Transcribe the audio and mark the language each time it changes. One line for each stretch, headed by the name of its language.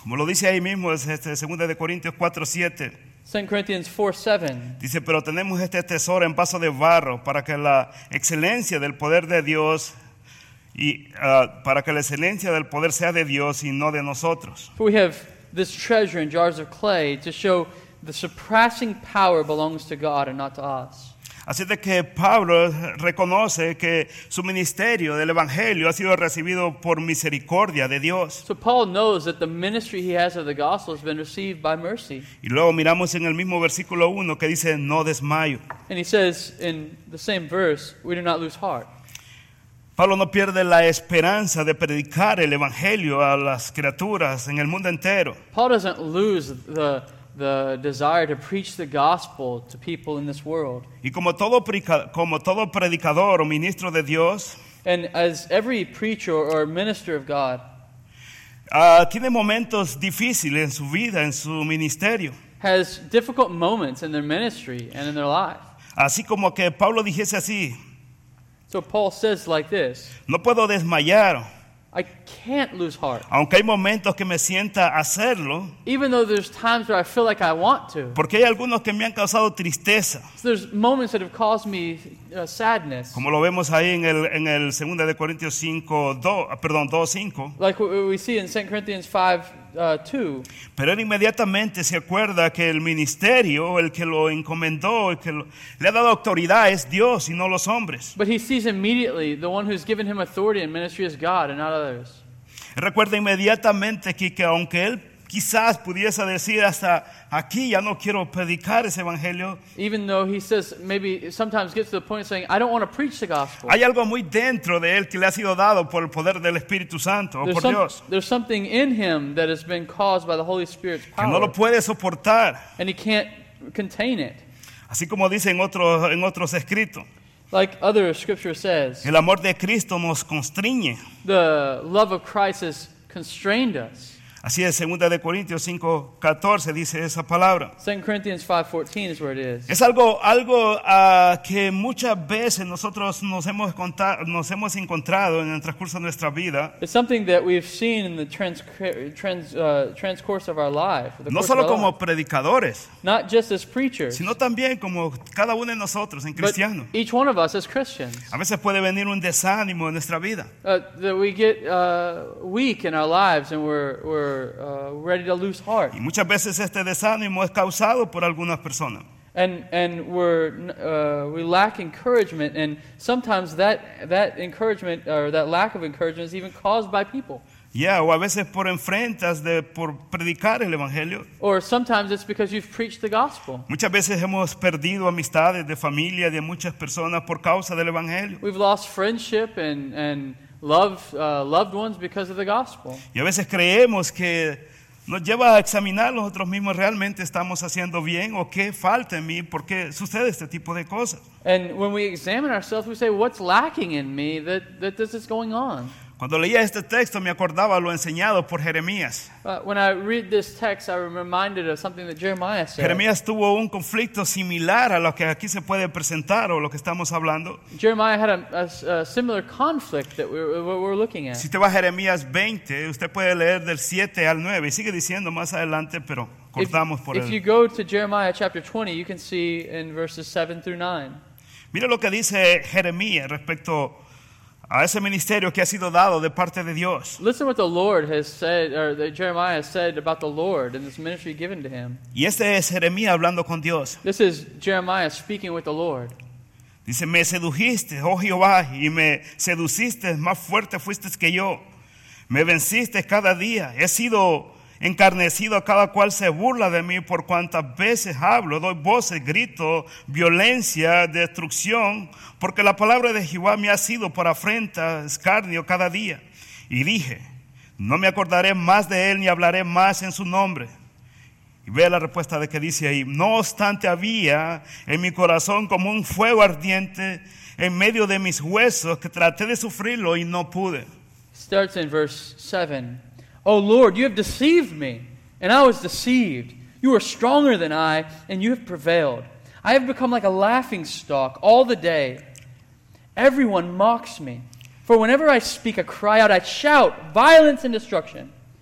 Spanish: Como lo dice ahí mismo, es este, 2 Corintios 4, 7.
English: 2 Corinthians 4:7.
Spanish: Dice, pero tenemos este tesoro en vaso de barro para que la excelencia del poder de Dios y para que la excelencia del poder sea de Dios y no de nosotros.
English: For we have this treasure in jars of clay to show the surpassing power belongs to God and not to us.
Spanish: Así de que Pablo reconoce que su ministerio del evangelio ha sido recibido por misericordia de Dios.
English: So Paul knows that the ministry he has of the gospel has been received by mercy.
Spanish: Y luego miramos en el mismo versículo 1 que dice, no desmayo.
English: And he says in the same verse, we do not lose heart.
Spanish: Pablo no pierde la esperanza de predicar el evangelio a las criaturas en el mundo entero.
English: Paul doesn't lose the desire to preach the gospel to people in this world.
Spanish: Y como todo predicador o ministro de Dios,
English: and as every preacher or minister of God,
Spanish: tiene momentos difíciles en su vida, en su ministerio.
English: Has difficult moments in their ministry and in their life.
Spanish: Así como que Pablo dijese así.
English: So Paul says like this.
Spanish: No puedo desmayar.
English: I can't lose heart.
Spanish: Aunque hay momentos que me sienta hacerlo.
English: Even though there's times where I feel like I want to.
Spanish: Porque hay algunos que me han causado tristeza.
English: So there's moments that have caused me sadness.
Spanish: Como lo vemos ahí en el 2 de Corintios 2:5.
English: Like what we see in 2 Corinthians 5:2.
Spanish: Pero él inmediatamente se acuerda que el ministerio, el que lo encomendó, el que le ha dado autoridad es Dios y no los hombres.
English: But he sees immediately the one who's given him authority and ministry is God and not others.
Spanish: Recuerda inmediatamente que aunque él quizás pudiese decir hasta aquí ya no quiero predicar ese evangelio.
English: Even though he says maybe sometimes gets to the point of saying I don't want to preach the gospel.
Spanish: Hay algo muy dentro de él que le ha sido dado por el poder del Espíritu Santo o por Dios.
English: There's something in him that has been caused by the Holy Spirit's power.
Spanish: Que no lo puede soportar.
English: And he can't contain it.
Spanish: Así como dice en otros escritos.
English: Like other scripture says.
Spanish: El amor de Cristo nos constriñe.
English: The love of Christ has constrained us.
Spanish: Así es, 2 Corintios 5:14 dice esa palabra.
English: 2 Corinthians 5:14 is where it is.
Spanish: Es algo que muchas veces nosotros nos hemos encontrado en el transcurso de nuestra vida.
English: It's something that we've seen in the transcurse of our life.
Spanish: No solo como predicadores.
English: Not just as preachers.
Spanish: Sino también como cada uno de nosotros en cristiano.
English: But each one of us as Christians.
Spanish: A veces puede venir un desánimo en nuestra vida.
English: That we get weak in our lives and we're ready to lose heart.
Spanish: Y muchas veces este desánimo es causado por algunas personas.
English: And we lack encouragement, and sometimes that encouragement or that lack of encouragement is even caused by people.
Spanish: Yeah, o a veces por enfrentas de por predicar el evangelio.
English: Or sometimes it's because you've preached the gospel.
Spanish: Muchas veces hemos perdido amistades de familia de muchas personas por causa del evangelio.
English: We've lost friendship and loved ones because of the gospel.
Spanish: Y a veces creemos que nos lleva a examinar nosotros mismos realmente estamos haciendo bien o qué falta en mí, por qué sucede este tipo de cosas.
English: And when we examine ourselves, we say, what's lacking in me that this is going on?
Spanish: Cuando leía este texto, me acordaba lo enseñado por Jeremías.
English: When I read this text, I was reminded of something that Jeremiah said.
Spanish: Jeremías tuvo un conflicto similar a lo que aquí se puede presentar o lo que estamos hablando.
English: Jeremiah had a similar conflict that we're looking at.
Spanish: Si te va a Jeremías 20, usted puede leer del 7 al 9. Y sigue diciendo más adelante, pero cortamos por él.
English: If you go to Jeremiah chapter 20, you can see in verses 7 through 9.
Spanish: Mira lo que dice Jeremías respecto a ese ministerio que ha sido dado de parte de Dios.
English: Listen what the Lord has said, or that Jeremiah has said about the Lord and this ministry given to him.
Spanish: Y este es Jeremías hablando con Dios.
English: This is Jeremiah speaking with the Lord.
Spanish: Dice, me sedujiste, oh Jehová, y me seduciste, más fuerte fuiste que yo. Me venciste cada día. He sido Encarnecido, cada cual se burla de mí por cuantas veces hablo, doy voces, grito, violencia, destrucción, porque la palabra de Jehová me ha sido por afrenta, escarnio cada día. Y dije, no me acordaré más de él ni hablaré más en su nombre. Y ve la respuesta de que dice ahí, no obstante había en mi corazón como un fuego ardiente en medio de mis huesos que traté de sufrirlo y no pude.
English: Starts in verse 7. Oh Lord, you have deceived me, and I was deceived. You are stronger than I, and you have prevailed. I have become like a laughing stock all the day. Everyone mocks me. For whenever I speak, I cry out, I shout, violence and destruction.